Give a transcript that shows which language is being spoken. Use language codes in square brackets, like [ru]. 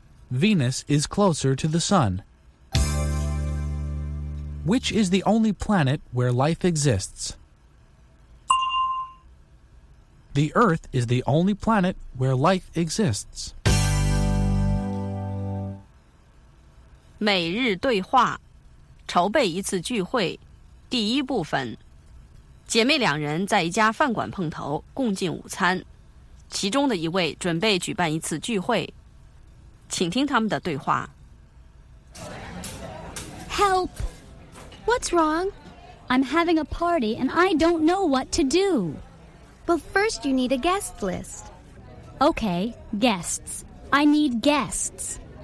[en] Venus is closer to the sun. Which is the only planet where life exists? The Earth is the only planet where life exists. [zh] 每日对话，筹备一次聚会，第一部分。姐妹两人在一家饭馆碰头，共进午餐。其中的一位准备举办一次聚会，请听他们的对话。 [en] Help! What's wrong? I'm having a party and I don't know what to do. Well, first you need a guest list. Okay, guests. I need guests.